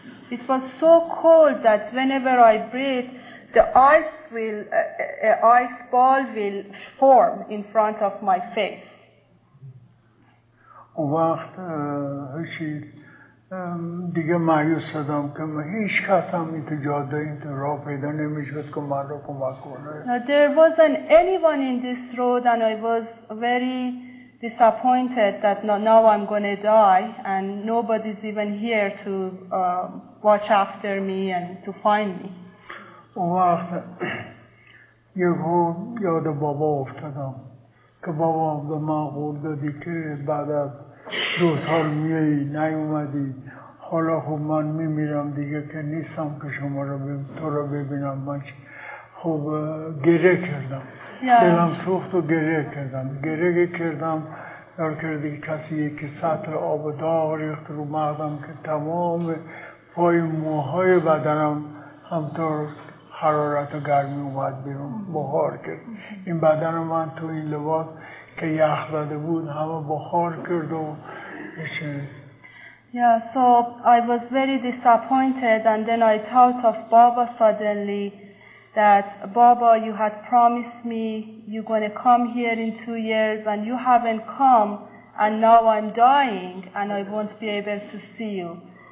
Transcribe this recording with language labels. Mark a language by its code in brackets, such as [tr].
[en] It was so cold that whenever I breathe, the ice will, ice ball will form in front of my face. [fa] اون وقت هیچی دیگه مایوس شدم که هیچ کس هم این تو جاده این تو راه پیدا نمیشد که من رو کمک کنه. [en] There wasn't anyone in this road and I was very disappointed that now I'm going to die and nobody's even here to watch after me and to find me. [fa] وقت یهو یاد بابا افتادم که بابا به من قول دادی که بعد از 2 سال میایی نیومدی حالا خوب من میمیرم دیگه که نیستم که شما رو تو رو ببینم من خوب گریه کردم دلم سوخت و گریه کردم یار کردی که کسی یکی سطر آب داغ ریخت رو مغزم که تمام پای موهای بدنم همطور حرارت و گرمی اومد بیرون بخار کرد این بدن من تو این لباس که یخ زده بود همه بخار کرد و ایچه [en] So I was very disappointed and then I thought of Baba suddenly that, Baba, you had promised me you're going to come here in 2 years, and you haven't come, and now I'm dying, and I won't be able to see you.